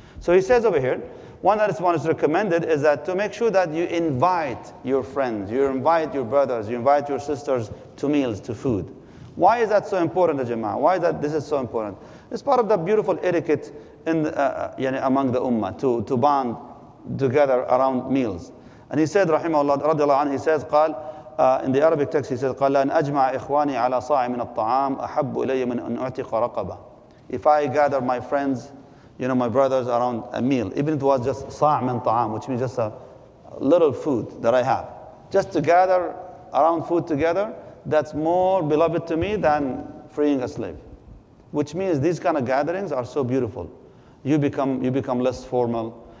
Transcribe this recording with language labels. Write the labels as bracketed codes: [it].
[en] So he says over here, one is recommended is that to make sure that you invite your friends, you invite your brothers, you invite your sisters to meals, to food. Why is that so important, Jama'ah? Why is that this is so important? It's part of the beautiful etiquette among the ummah, to bond together around meals. And he said, rahimahullah, radiallahu anhu, he says, [ar] قال, in the Arabic text, he says, قَالَ أَنْ أَجْمَعَ إِخْوَانِي عَلَى صَاعٍ مِنَ الطَّعَامِ أَحَبُّ إِلَيَّ مِنْ أَنْ أُعْتِقَ رَقَبَةً. [en] If I gather my friends, you know, my brothers around a meal, even if it was just [ar] صَاعٍ مِنْ طَعَامٍ, [en] which means just a little food that I have, just to gather around food together, that's more beloved to me than freeing a slave. Which means these kind of gatherings are so beautiful. You become less formal.